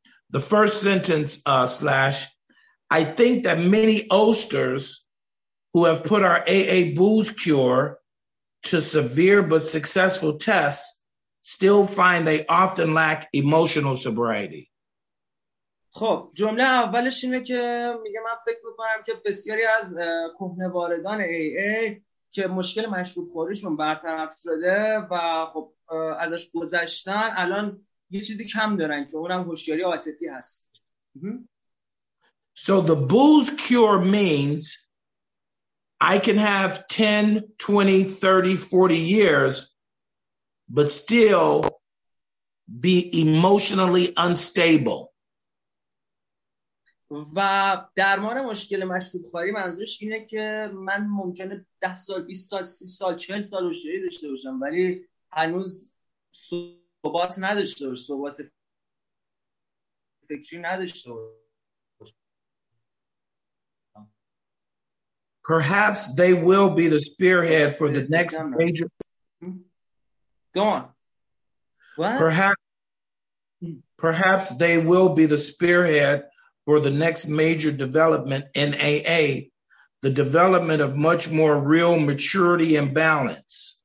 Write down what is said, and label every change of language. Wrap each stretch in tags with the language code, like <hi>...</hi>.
<en>The first sentence slash. I think that many Ulsters who have put our AA booze cure to severe but successful tests still find they often lack emotional sobriety.</en> <fa>خب جمله اولش اینه که میگه من فکر میکنم که بسیاری از کهنه واردان AA که مشکل مشروب خوریشون برطرف شده و خب ازش گذشتن الان یه چیزی کم دارن که اونم هوشیاری عاطفی هست.</fa> <en>So the booze cure means I can have 10, 20, 30, 40 years but still be emotionally unstable.</en> <fa>و درمان مشکل مشروب خواری منظورش اینه که من ممکنه 10 سال 20 سال 30 سال 40 سال هوشیاری داشته باشم ولی هنوز ثبات نداشته باشم، ثبات فکری نداشته باشم.</fa> <en>Perhaps they will be the spearhead for the next major. Go on. What? Perhaps they will be the spearhead for the next major development in AA, the development of much more real maturity and balance.</en>